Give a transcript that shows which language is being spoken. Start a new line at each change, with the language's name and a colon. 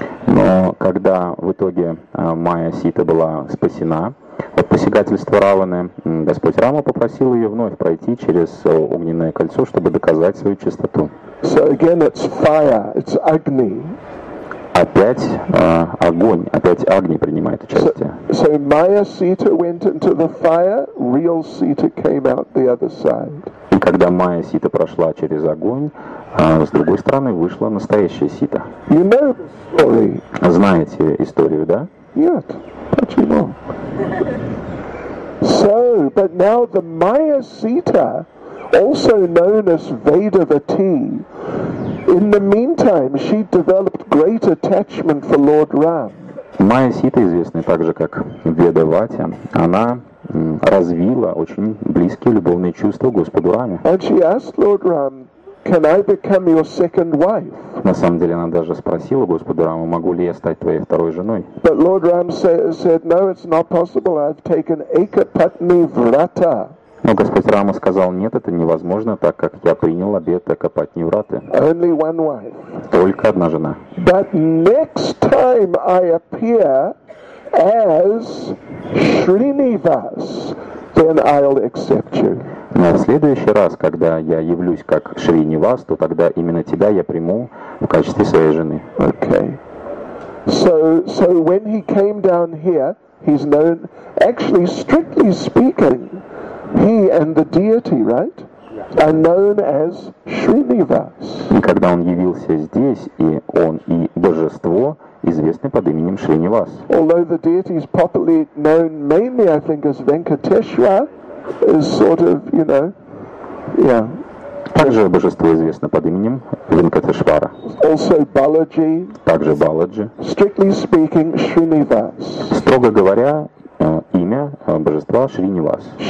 Russian: Но когда в итоге Майя Сита была спасена от посягательства Раваны, Господь Рама попросил ее вновь пройти через огненное кольцо, чтобы доказать свою чистоту.
English: So again, it's fire, it's Agni.
Russian: Опять огонь, опять Агни принимает участие.
English: So Maya Sita went into the fire, real Sita came out the other side.
Russian: И когда Майя Сита прошла через огонь, с другой стороны вышла настоящая Сита.
English: You know the story.
Russian: Знаете историю, да? Нет. Почему?
English: So, but now the Maya Sita, also known as Vedavati, in the meantime she developed great attachment for Lord Ram.
Russian: Maya Sita, известная также как Vedavati, она развила очень близкие любовные чувства Господу Раме.
English: And she asked Lord Ram, "Can I become your second wife?"
Russian: На самом деле она даже спросила Господа Раму, могу ли я стать твоей второй женой.
English: But Lord Ram said, "No, it's not possible. I've taken Ekapatni Vrata."
Russian: Но Господь Рама сказал, нет, это невозможно, так как я принял обет Экапатни Враты.
English: Only one wife.
Russian: Только одна жена.
English: But next time I appear as Shrinivas, then I'll accept you.
Russian: Но в следующий раз, когда я явлюсь как Шринивас, то тогда именно тебя я приму в качестве своей жены.
English: Okay. So when he came down here, he's known, actually, strictly speaking, he and the deity, right, are known as Shrinivas.
Russian: И когда он явился здесь, и он, и божество, известны под именем Шринивас.
English: Although the deity is properly known mainly, I think, as Venkateshwara, is sort of, you know, yeah.
Russian: Также божество известно под именем Венкатешвара.
English: Also Balaji.
Russian: Также Баладжи.
English: Strictly speaking, Shrinivas.
Russian: Строго говоря, имя божества Шринивас.